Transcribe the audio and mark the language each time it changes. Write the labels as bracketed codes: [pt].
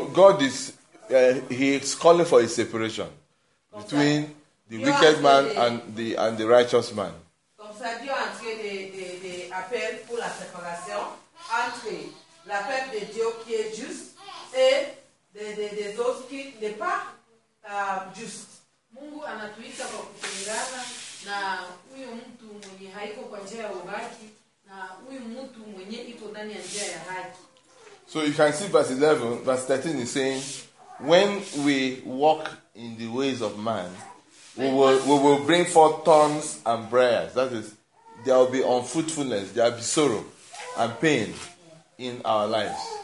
[en] So God is he is calling for a separation between the wicked man and the righteous man. [fr] Comme ça Dieu a entré de appel pour la séparation entre l'appel de Dieu qui est juste et des autres qui n'est pas juste. [sw] Mungu anatuita kwa kutengana na huyu mtu mwenye haiko kwa njia ya uhaki na huyu mtu mwenye iko ndani ya njia ya haki. [en] So you can see verse 11, verse 13 is saying, when we walk in the ways of man, we will bring forth thorns and briars. That is, there will be unfruitfulness, there will be sorrow and pain in our lives.